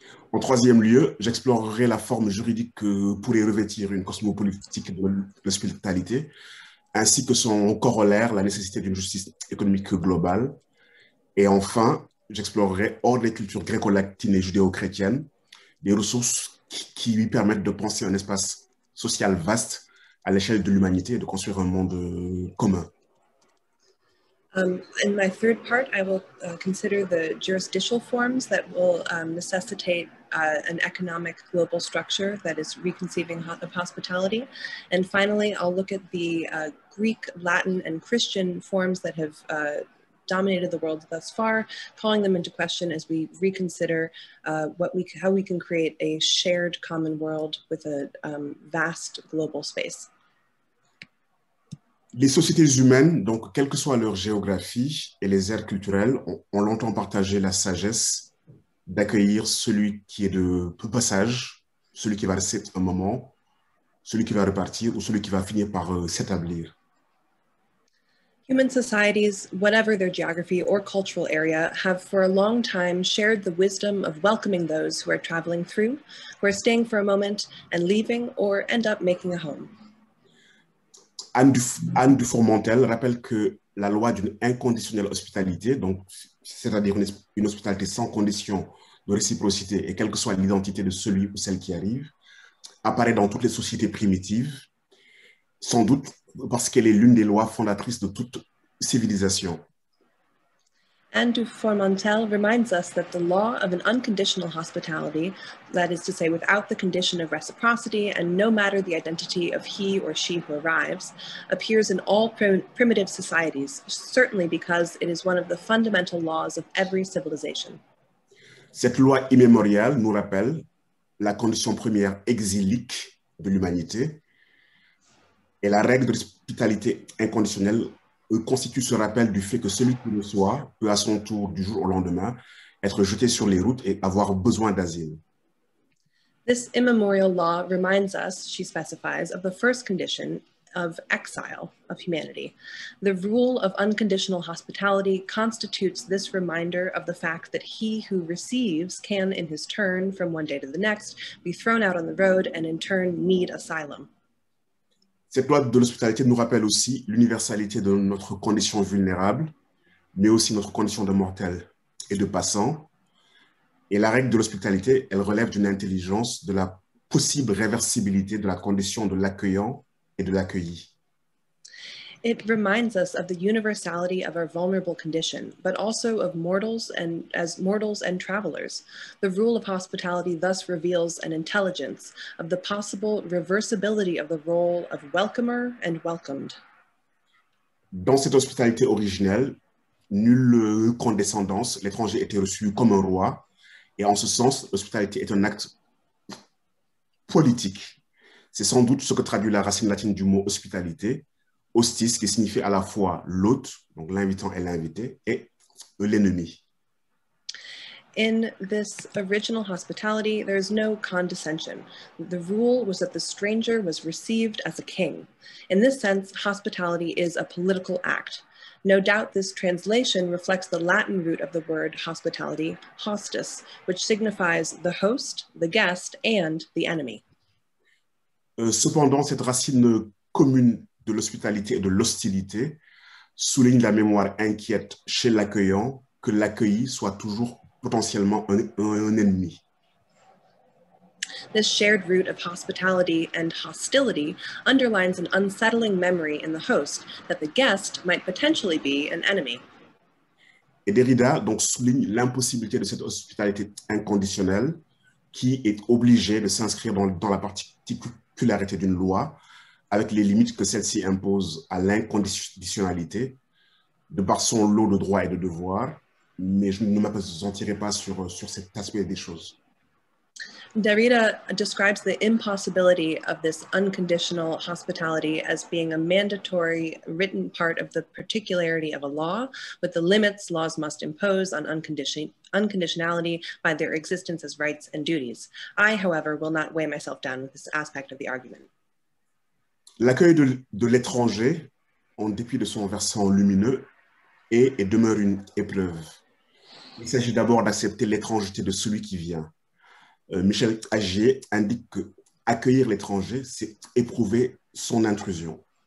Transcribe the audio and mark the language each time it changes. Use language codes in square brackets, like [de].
[fr] En troisième lieu, j'explorerai la forme juridique que pourrait revêtir une cosmopolitique de l'hospitalité, ainsi que son corollaire, la nécessité d'une justice économique globale. Et enfin, j'explorerai hors des cultures gréco-latines et judéo-chrétiennes, les ressources qui lui permettent de penser un espace social vaste à l'échelle de l'humanité et de construire un monde commun. [en] In my third part, I will consider the jurisdictional forms that will necessitate an economic global structure that is reconceiving of hospitality. And finally, I'll look at the Greek, Latin, and Christian forms that have dominated the world thus far, calling them into question as we reconsider how we can create a shared common world with a vast global space. [fr] Les sociétés humaines, donc quelle que soit leur géographie et les aires culturelles, ont longtemps partagé la sagesse d'accueillir celui qui est de peu passage, celui qui va rester un moment, celui qui va repartir ou celui qui va finir par s'établir. [en] Human societies, whatever their geography or cultural area, have for a long time shared the wisdom of welcoming those who are traveling through, who are staying for a moment and leaving or end up making a home. [fr] Anne Dufour-Montel rappelle que la loi d'une inconditionnelle hospitalité, donc c'est-à-dire une hospitalité sans condition de réciprocité et quelle que soit l'identité de celui ou celle qui arrive, apparaît dans toutes les sociétés primitives, sans doute parce qu'elle est l'une des lois fondatrices de toute civilisation. [en] Anne Dufour-Montel reminds us that the law of an unconditional hospitality, that is to say, without the condition of reciprocity and no matter the identity of he or she who arrives, appears in all primitive societies, certainly because it is one of the fundamental laws of every civilization. [fr] Cette loi immémoriale nous rappelle la condition première exilique de l'humanité et la règle de l'hospitalité inconditionnelle constitue ce rappel du fait que celui qui le soit peut à son tour du jour au lendemain être jeté sur les routes et avoir besoin d'asile. [en] This immemorial law reminds us, she specifies, of the first condition of exile of humanity. The rule of unconditional hospitality constitutes this reminder of the fact that he who receives can in his turn from one day to the next be thrown out on the road and in turn need asylum. [fr] Cette loi de l'hospitalité nous rappelle aussi l'universalité de notre condition vulnérable, mais aussi notre condition de mortel et de passant. Et la règle de l'hospitalité, elle relève d'une intelligence de la possible réversibilité de la condition de l'accueillant et de l'accueilli. [en] It reminds us of the universality of our vulnerable condition, but also of mortals and as mortals and travelers. The rule of hospitality thus reveals an intelligence of the possible reversibility of the role of welcomer and welcomed. [fr] Dans cette hospitalité originelle, nulle condescendance, l'étranger était reçu comme un roi, et en ce sens, l'hospitalité est un acte politique. C'est sans doute ce que traduit la racine latine du mot hospitalité. Hostis, qui signifie à la fois l'hôte, donc l'invitant et l'invité, et l'ennemi. [en] In this original hospitality, there is no condescension. The rule was that the stranger was received as a king. In this sense, hospitality is a political act. No doubt this translation reflects the Latin root of the word hospitality, hostis, which signifies the host, the guest, and the enemy. [fr] Cependant, cette racine commune de l'hospitalité et de l'hostilité, souligne la mémoire inquiète chez l'accueillant que l'accueilli soit toujours potentiellement un ennemi. [en] This shared root of hospitality and hostility underlines an unsettling memory in the host that the guest might potentially be an enemy. [fr] Et Derrida donc souligne l'impossibilité de cette hospitalité inconditionnelle qui est obligée de s'inscrire dans la particularité d'une loi avec les limites que celle-ci impose à l'inconditionnalité, de par son lot de droits et de devoirs, mais je ne m'appesantirai pas sur cet aspect des choses. [en] Derrida describes the impossibility of this unconditional hospitality as being a mandatory written part of the particularity of a law, with the limits laws must impose on unconditionality by their existence as rights and duties. I, however, will not weigh myself down with this aspect of the argument. [fr] L'accueil de l'étranger, en dépit de son versant lumineux, est et demeure une épreuve. Il s'agit d'abord d'accepter l'étrangeté de celui qui vient. Michel Agier indique que accueillir l'étranger, c'est éprouver son intrusion.